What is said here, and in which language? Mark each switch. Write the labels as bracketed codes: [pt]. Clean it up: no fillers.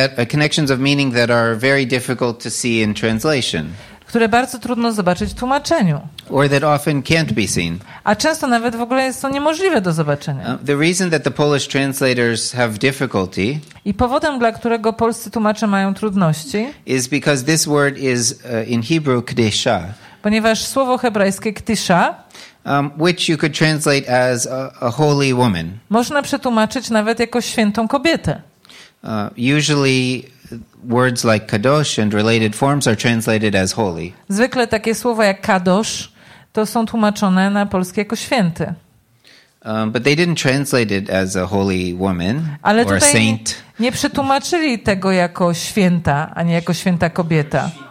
[en] Connections of meaning that are very difficult to see in translation. [pl] Które bardzo trudno zobaczyć w tłumaczeniu. [en] Or that often can't be seen. [pl] A często nawet w ogóle jest to niemożliwe do zobaczenia. [en] The reason that the Polish translators have difficulty. [pl] I powodem, dla którego polscy tłumacze mają trudności. [en] Is because this word is in Hebrew kdesha. [pl] Ponieważ słowo hebrajskie ktisha. [en] Which you could translate as a holy woman. [pl] Można przetłumaczyć nawet jako świętą kobietę. [en] Usually words like kadosh and related forms are translated as holy. [pl] Zwykle takie słowa jak kadosh to są tłumaczone na polskie jako święty. [en] But they didn't translate it as a holy woman [pl] ale [en] or a saint. [pl] Nie przetłumaczyli tego jako święta, a nie jako święta kobieta.